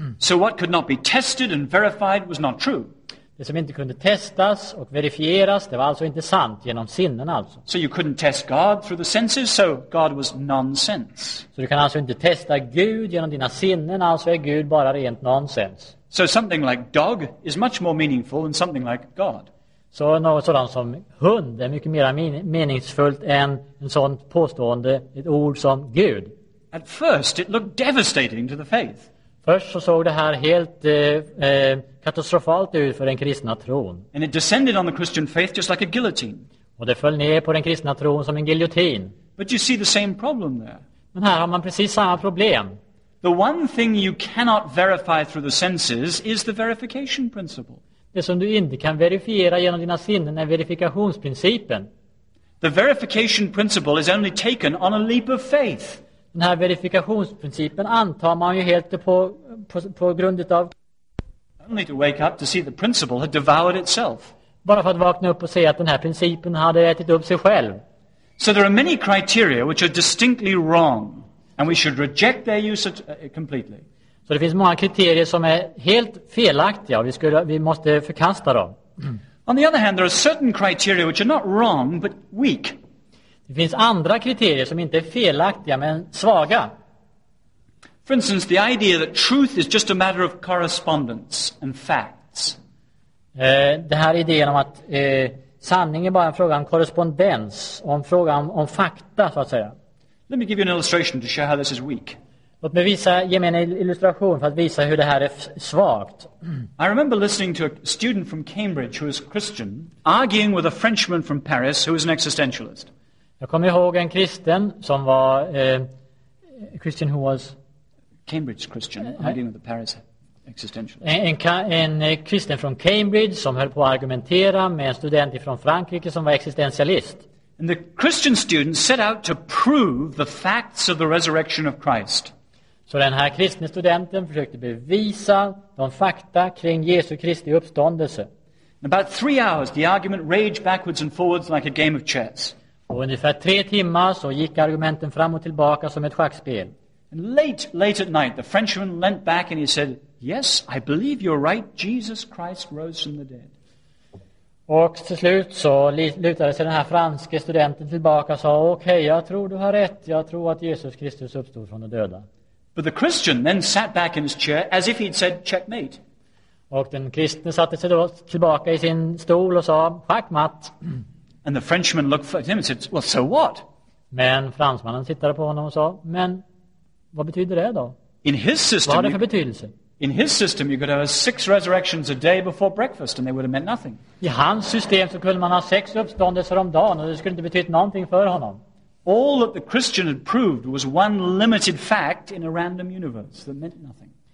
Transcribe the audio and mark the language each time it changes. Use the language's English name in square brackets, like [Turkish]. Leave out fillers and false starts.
[English] So what could not be tested and verified was not true. [Swedish] Det som inte kunde testas och verifieras, det var alltså inte sant genom sinnen alltså. [English] So you couldn't test God through the senses, so God was nonsense. [Swedish] Så du kan alltså inte testa Gud genom dina sinnen, alltså är Gud bara rent nonsens. [English] So something like dog is much more meaningful than something like God. [Swedish] Så något sådant som hund är mycket mer meningsfullt än en sån påstående, ett ord som Gud. [English] At first it looked devastating to the faith. [Swedish] Först så såg det här helt katastrofalt ut för den kristna tron. [English] And it descended on the Christian faith just like a guillotine. [Swedish] Och det föll ner på den kristna tron som en giljotin. [English] But you see the same problem there. [Swedish] Men här har man precis samma problem. [English] The one thing you cannot verify through the senses is the verification principle. [Swedish] Det som du inte kan verifiera genom dina sinnen är verifikationsprincipen. [English] The verification principle is only taken on a leap of faith. [Swedish] Den här verifikationsprincipen antar man ju helt på grund av [English] only to wake up to see the principle had devoured itself. [Swedish] Bara för att vakna upp och se att den här principen hade ätit upp sig själv. [English] So there are many criteria which are distinctly wrong and we should reject their use completely. [Swedish] Så det finns många kriterier som är helt felaktiga och vi måste förkasta dem. [English] On the other hand there are certain criteria which are not wrong but weak. [Swedish] Det finns andra kriterier som inte är felaktiga men svaga. [English] For instance, the idea that truth is just a matter of correspondence and facts. [Swedish] Det här idén om att sanning är bara en fråga om korrespondens, om fråga om fakta så att säga. [English] Let me give you an illustration to show how this is weak. [Swedish] Låt mig visa, ge mig en illustration för att visa hur det här är svagt. [English] I remember listening to a student from Cambridge who is Christian arguing with a Frenchman from Paris who is an existentialist. [Swedish] Jag kommer ihåg en kristen som var [English] Christian who was Cambridge Christian arguing with the Paris existentialist. [Swedish] En kristen från Cambridge som höll på att argumentera med en student från Frankrike som var existentialist. [English] And the Christian student set out to prove the facts of the resurrection of Christ. [Swedish] Så den här kristne studenten försökte bevisa de fakta kring Jesu Kristi uppståndelse. [English] In about 3 hours the argument raged backwards and forwards like a game of chess. [Swedish] Och ungefär 3 timmar så gick argumenten fram och tillbaka som ett schackspel. [English] And late at night the Frenchman leant back and he said, "Yes, I believe you're right. Jesus Christ rose from the dead." [Swedish] Och till slut så lutade sig den här franske studenten tillbaka och sa, "Okej, jag tror du har rätt. Jag tror att Jesus Kristus uppstod från de döda." [English] But the Christian then sat back in his chair as if he'd said checkmate. [Swedish] Och den kristne satte sig då tillbaka i sin stol och sa, "Schackmatt." [English] And the Frenchman looked at him and said, "Well, so what?" [Swedish] Men fransmannen tittade på honom och sa, "Men vad betyder det då?" [English] In his system, [Swedish] vad har det för betydelse? [English] In his system you could have 6 resurrections a day before breakfast and they would have meant nothing. [Swedish] I hans system så kunde man ha 6 uppståndelser om dagen och det skulle inte betyda någonting för honom. [English] All that the Christian had proved was one limited fact in a random universe that meant nothing.